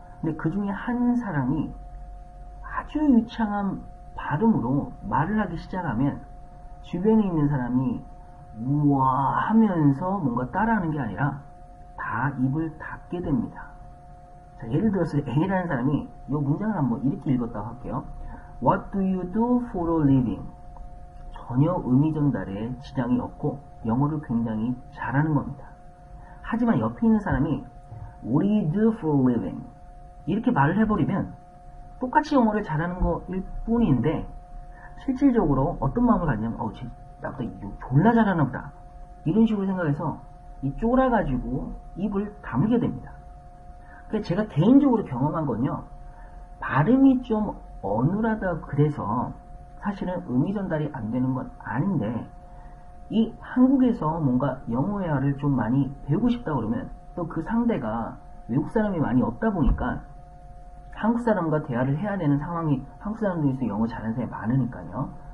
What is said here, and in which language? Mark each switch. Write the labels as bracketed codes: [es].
[ko] 근데 그 중에 한 사람이 아주 유창한 발음으로 말을 하기 시작하면 주변에 있는 사람이 우와 하면서 뭔가 따라하는 게 아니라 다 입을 닫게 됩니다. 자, 예를 들어서 A라는 사람이 이 문장을 한번 이렇게 읽었다고 할게요. [en] What do you do for a living? [ko] 전혀 의미 전달에 지장이 없고 영어를 굉장히 잘하는 겁니다. 하지만 옆에 있는 사람이 [en] What do you do for a living? [ko] 이렇게 말을 해버리면 똑같이 영어를 잘하는 것일 뿐인데 실질적으로 어떤 마음을 갖냐면 나보다 졸라 잘하나 보다 이런 식으로 생각해서 이 쫄아가지고 입을 다물게 됩니다. 제가 개인적으로 경험한 건요, 발음이 좀 어눌하다 그래서 사실은 의미 전달이 안 되는 건 아닌데 이 한국에서 뭔가 영어회화를 좀 많이 배우고 싶다 그러면 또 그 상대가 외국 사람이 많이 없다 보니까 한국 사람과 대화를 해야 되는 상황이 한국 사람 중에서 영어 잘하는 사람이 많으니까요.